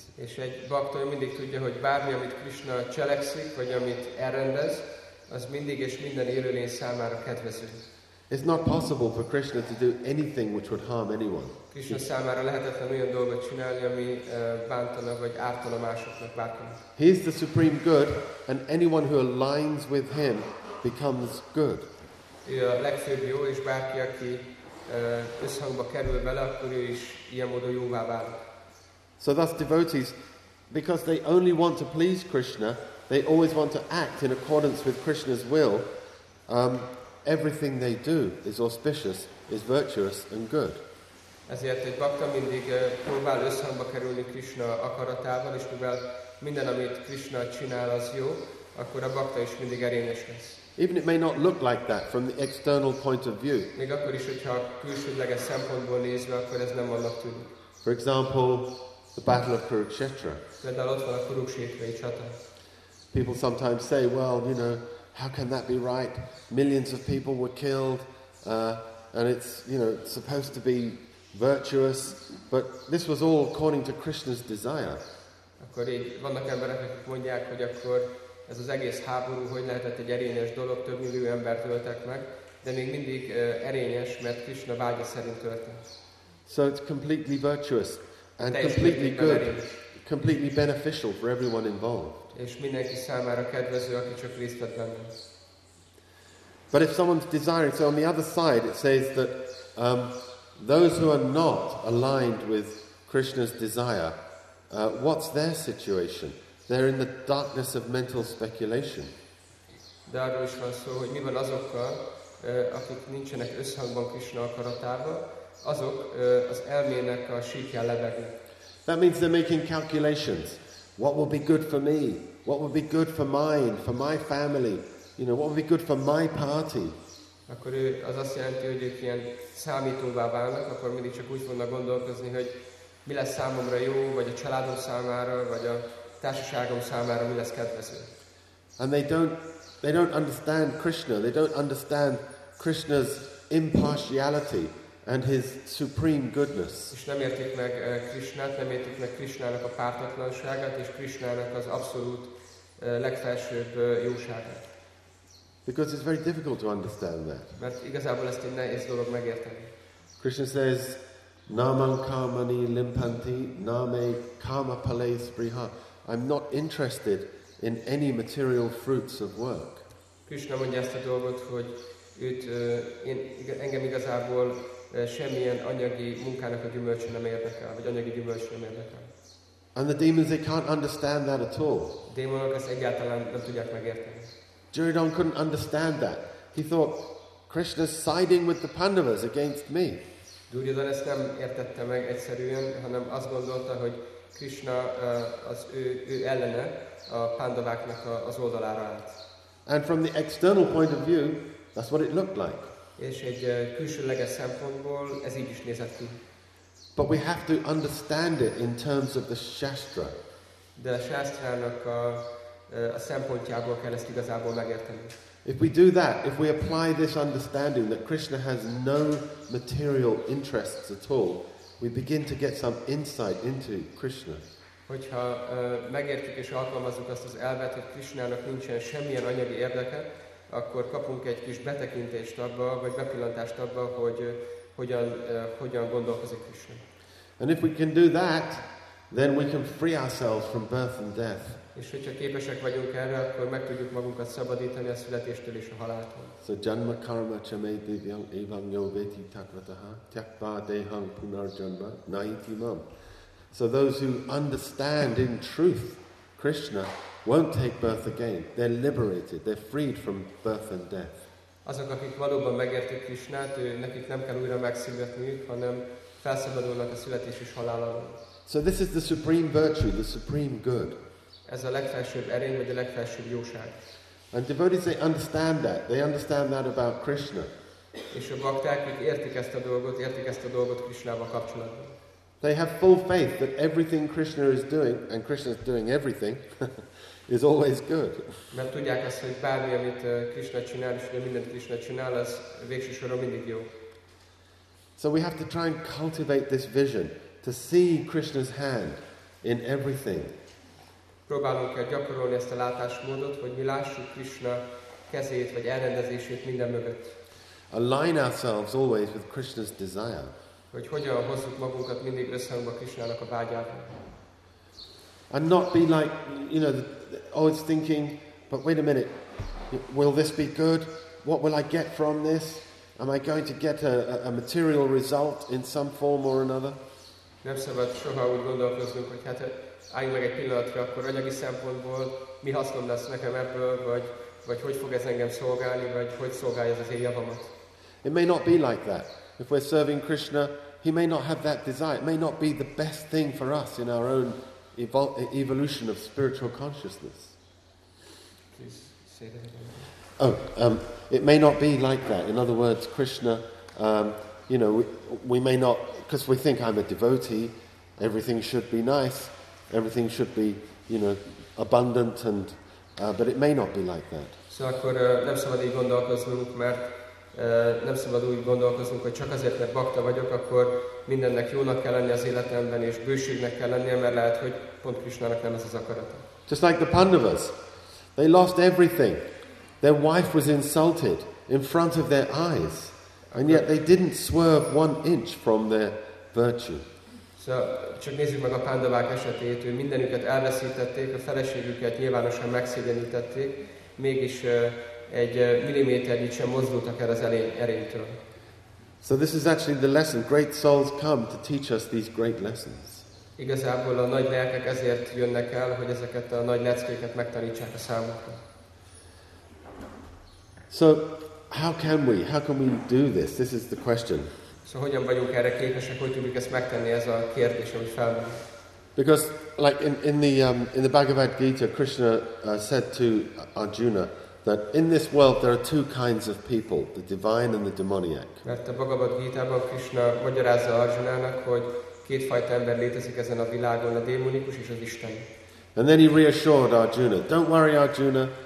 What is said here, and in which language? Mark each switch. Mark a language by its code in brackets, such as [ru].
[hu] És egy bhakta mindig tudja, hogy bármi, amit Krishna cselekszik, vagy amit elrendez, az mindig és minden élőlény számára kedvező. [en] It's not possible for Krishna to do anything which would harm anyone. [hu] Krishna számára lehetetlen olyan dolgot csinálni, ami bántana vagy ártana másoknak bárkinek. [en] He is the supreme good, and anyone who aligns with him becomes good. [hu] Ő a legfőbb jó, és bárki, aki összhangba kerül vele, akkor ő is ilyen módon jóvá válik. [en] So thus devotees, because they only want to please Krishna, they always want to act in accordance with Krishna's will, everything they do is auspicious, is virtuous and good. [hu] Ezért egy bhakta mindig próbál összhangba kerülni Krishna akaratával, és mivel minden, amit Krishna csinál, az jó, akkor a bhakta is mindig erényes lesz. [en] Even it may not look like that from the external point of view. [hu] Még akkor is, hogyha külsődleges szempontból nézve, akkor ez nem annak tűnik. [en] For example, the battle of Kurukshetra. [hu] Például ott van a kurukshetrai csata. [en] People sometimes say, well, you know, how can that be right? Millions of people were killed, and it's, you know, supposed to be virtuous, but this was all according to Krishna's desire. [hu] Akkor így vannak emberek, akik mondják, hogy akkor ez az egész háború, hogy lehetett egy erényes dolog, több millió embert öltek meg, de még mindig erényes, mert Krishna vágya szerint történt. [en] So it's completely virtuous and completely good, completely beneficial for everyone involved. [hu] És mindenki számára kedvező, aki csak részt vett benne. [en] But if someone's desiring, so on the other side it says that those who are not aligned with Krishna's desire, what's their situation? They're in the darkness of mental speculation. [hu] De arról is van szó, hogy mi van azokkal, akik nincsenek összhangban Krishna akaratával, azok az elmének a síkján lebegnek. [en] That means they're making calculations. What would be good for me? What would be good for mine, for my family? You know, what would be good for my party? [hu] Akkor az azt jelenti, hogy ők ilyen számítóvá válnak, akkor mindig csak úgy fognak gondolkozni, hogy mi lesz számomra jó, vagy a családom számára, vagy a társaságom számára mi lesz kedvező. [en] And they don't understand Krishna. They don't understand Krishna's impartiality and his supreme goodness. [hu] És nem értik meg Krishnát, nem értik meg Krishnának a pártatlanságát és Krishnának az abszolút legfelsőbb jóságát. [en] Because it's very difficult to understand that. [hu] Mert igazából ezt egy nehéz dolog megérteni. [en] Krishna says, [sa] Namam kamani limpanti, name kama pale spriha. [en] I'm not interested in any material fruits of work. [hu] Krishna mondja ezt a dolgot, hogy őt, engem igazából semmilyen anyagi munkának a gyümölcse nem érdekel, vagy anyagi gyümölcse nem érdekel. [en] And the demons, they can't understand that at all. [hu] Démonok ezt egyáltalán nem tudják megérteni. [en] Duryodhan couldn't understand that. He thought, Krishna's siding with the Pandavas against me. [hu] Duryodhan ezt nem értette meg egyszerűen, hanem azt gondolta, hogy Krishna az ő ellene a Pandaváknak az oldalára állt. [en] And from the external point of view, that's what it looked like. [hu] És egy külsőleges szempontból ez így is nézett ki. [en] But we have to understand it in terms of the Shastra. [hu] De a Shastrának a szempontjából kell ezt igazából megérteni. [en] If we do that, if we apply this understanding that Krishna has no material interests at all, we begin to get some insight into Krishna. [hu] Hogyha megértjük és alkalmazunk azt az elvet, hogy Krishnának nincsen semmilyen anyagi érdeke, akkor kapunk egy kis betekintést abba, vagy bepillantást abba, hogy hogyan gondolkozik Krishna. [en] And if we can do that, then we can free ourselves from birth and death. [hu] És hogyha képesek vagyunk erre, akkor meg tudjuk magunkat szabadítani a születéstől és a haláltól. [sa] So janma karma cha me divyam evam yo veti tatvataha tyakva deham punarjanma naiti mam. [en] So those who understand in truth Krishna won't take birth again. They're liberated. They're freed from birth and death. [hu] Azok, akik valóban megértik Krishnát, nekik nem kell újra megszületniük, hanem felszabadulnak a születés és halál alól. [en] So this is the supreme virtue, the supreme good. [hu] Ez a legfelsőbb erény, vagy a legfelsőbb jóság. [en] And devotees, they understand that. They understand that about Krishna. [hu] És a bakták, akik értik ezt a dolgot Krishnával kapcsolatban. [en] They have full faith that everything Krishna is doing, and Krishna is doing everything, is always good. [hu] Mert tudják azt, hogy bármi, amit Krishna csinál, és mindent Krishna csinál, az végső soron mindig jó. [en] So we have to try and cultivate this vision, to see Krishna's hand in everything. [hu] Próbálunk kell gyakorolni ezt a látásmódot, hogy mi lássuk Krishna kezét, vagy elrendezését minden mögött. [en] Align ourselves always with Krishna's desire. [hu] Hogy hogyan hozzuk magunkat mindig összhangba Krishnának a vágyával. [en] And not be like, you know, always thinking, but wait a minute, will this be good? What will I get from this? Am I going to get a material result in some form or another? Nem szabad soha úgy gondolkoznunk, hogy hát állj meg egy pillanatra, akkor anyagi szempontból mi hasznom lesz nekem ebből, vagy hogy fog ez engem szolgálni, vagy hogy szolgálja ez az én javamat. It may not be like that. If we're serving Krishna, he may not have that desire. It may not be the best thing for us in our own evolution of spiritual consciousness. Please say that again. It may not be like that. In other words, Krishna, you know, we may not, because we think I'm a devotee, everything should be nice, everything should be, you know, abundant, and but it may not be like that. [hu] So akkor nem szabad így gondolkoznunk, mert nem szabad úgy gondolkoznunk, hogy csak azért, mert bakta vagyok, akkor mindennek jónak kell lenni az életemben, és bőségnek kell lennie, mert lehet, hogy pont Krishnának nem ez az akarata. [en] Just like the Pandavas, they lost everything. Their wife was insulted in front of their eyes, and yet they didn't swerve one inch from their virtue. [hu] So, csak nézzük meg a Pandavák esetét, hogy mindenüket elveszítették, a feleségüket nyilvánosan megszégyenítették, mégis egy milliméternyit sem mozdultak el az erénytől. [en] So this is actually the lesson. Great souls come to teach us these great lessons. [hu] Igazából a nagy lelkek ezért jönnek el, hogy ezeket a nagy leckéket megtanítsák a számukra. [en] So, how can we do this? This is the question. [hu] So, hogyan vagyunk erre képesek, hogy tudjuk ezt megtenni, ez a kérdés, ami felmerül. [en] Because, like in the Bhagavad Gita, Krishna said to Arjuna that in this world there are two kinds of people: the divine and the demoniac. [hu] Mert a Bhagavad Gita-ban Krishna magyarázza Arjunának, hogy kétfajta ember létezik ezen a világon, a démonikus és az isteni. [en] And then he reassured Arjuna, "Don't worry, Arjuna.